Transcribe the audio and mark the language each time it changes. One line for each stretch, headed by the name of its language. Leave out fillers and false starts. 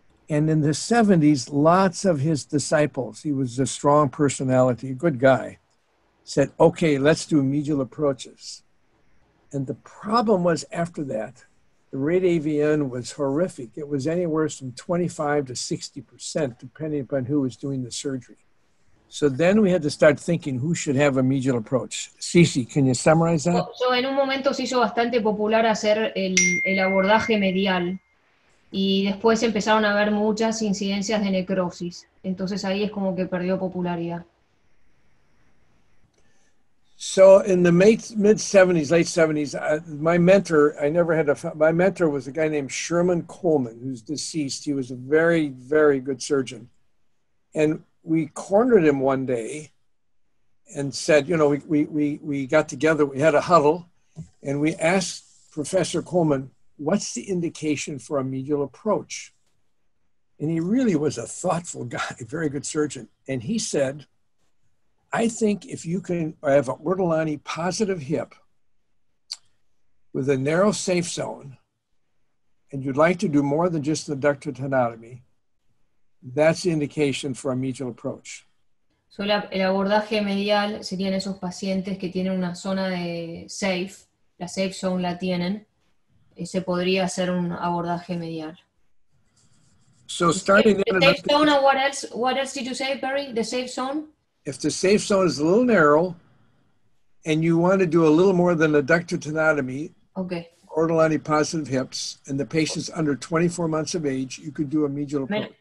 English: And in the 70s, lots of his disciples, he was a strong personality, a good guy, said, okay, let's do medial approaches. And the problem was after that, the rate AVN was horrific. It was anywhere from 25 to 60%, depending upon who was doing the surgery. So then we had to start thinking who should have a medial approach. Cece, can you summarize that?
Spanish: So en un momento se hizo bastante popular hacer el abordaje medial y después empezaron a haber muchas incidencias de necrosis. Entonces ahí es como que perdió popularidad.
English: So in the mid-70s, late-70s, my mentor was a guy named Sherman Coleman, who's deceased. He was a very, very good surgeon. And we cornered him one day and said, you know, we got together, we had a huddle, and we asked Professor Coleman, what's the indication for a medial approach? And he really was a thoughtful guy, a very good surgeon. And he said, I think if you can have an Ortolani positive hip with a narrow safe zone, and you'd like to do more than just the ductal tenotomy, that's the indication for a medial approach.
Spanish: So el abordaje medial serían esos pacientes que tienen una zona de safe, la safe zone la tienen, ese podría ser un abordaje medial.
English: So starting the safe zone, and what else did you say, Barry? The safe zone? If the safe zone is a little narrow and you want to do a little more than adductor tenotomy, okay, Ortolani positive hips, and the patient's under 24 months of age, you could do a medial approach.